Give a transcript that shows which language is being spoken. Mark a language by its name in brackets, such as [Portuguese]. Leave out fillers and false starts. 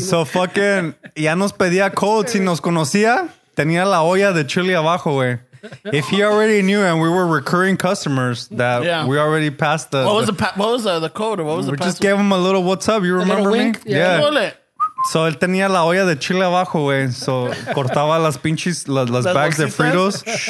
[English] So fucking, [Spanish] ya nos pedía codes y nos conocía, tenía la olla de chili abajo, güey. [English] If he already knew and we were recurring customers that we already passed the... What was the code? Or what was we the just gave him a little what's up. You remember me? Wink? Yeah. [Spanish] So, él tenía la olla de chile abajo, güey. So, cortaba las pinches, las bags de Fritos.